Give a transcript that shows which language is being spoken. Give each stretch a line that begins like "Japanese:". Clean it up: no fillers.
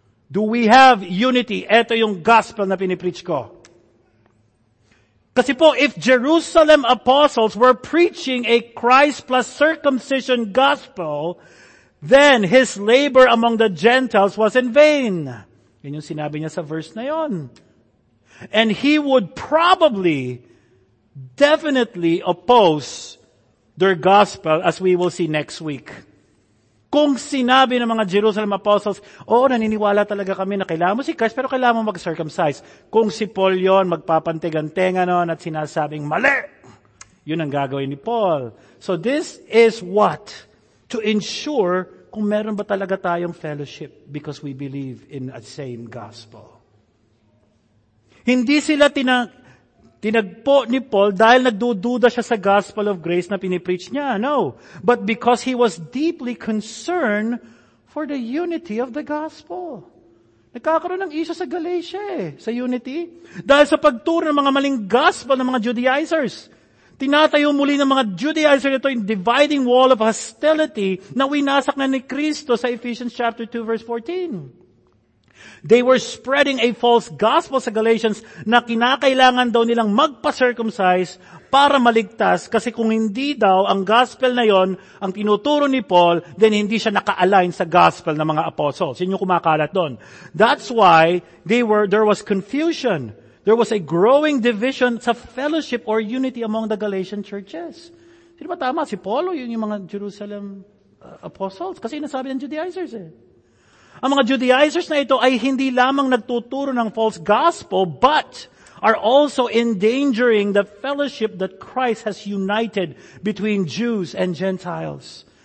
English: Do we have unity?
Filipino: Ito yung gospel na pinipreach ko. Kasi po,
English: if Jerusalem apostles were preaching a Christ plus circumcision gospel, then his labor among the Gentiles was in vain.
Filipino: Yun yung sinabi niya sa verse na yon.
English: And he would probably, definitely oppose their gospel as we will see next week.
Filipino: Kung sinabi ng mga Jerusalem apostles, oo, naniniwala talaga kami na kailangan mo si Christ, pero kailangan mo mag-circumcise. Kung si Paul yun, magpapantigantenga nun at sinasabing mali, yun ang gagawin ni Paul.
English: So this is what? To ensure
Filipino: kung meron ba talaga tayong fellowship
English: because we believe in a same gospel.
Filipino: Hindi sila tinagpo ni Paul dahil nagdududa siya sa gospel of grace na pinipreach niya.
English: No. But because he was deeply concerned for the unity of the gospel.
Filipino: Nagkakaroon ng issue sa Galatia eh, sa unity. Dahil sa pagturo ng mga maling gospel ng mga Judaizers. Tinatayo muli ng mga Judaizers ito yung
English: dividing wall of hostility
Filipino: na winasak na ni Kristo sa Ephesians chapter 2 verse 14.
English: They were spreading a false gospel
Filipino: sa Galatians na kinakailangan daw nilang magpa-circumcise para maligtas kasi kung hindi daw ang gospel na yon ang tinuturo ni Paul, then hindi siya naka-align sa gospel ng mga apostles. Yun yung kumakalat doon.
English: That's why there was confusion. There was a growing division sa fellowship or unity among the Galatian churches.
Filipino: Sino ba tama? Si Paul o yun yung mga Jerusalem apostles? Kasi nasabi ng Judaizers eh. Ang mga Judaizers na ito ay hindi lamang nagtuturo ng
English: false gospel, but are also endangering the fellowship that Christ has united between Jews and Gentiles.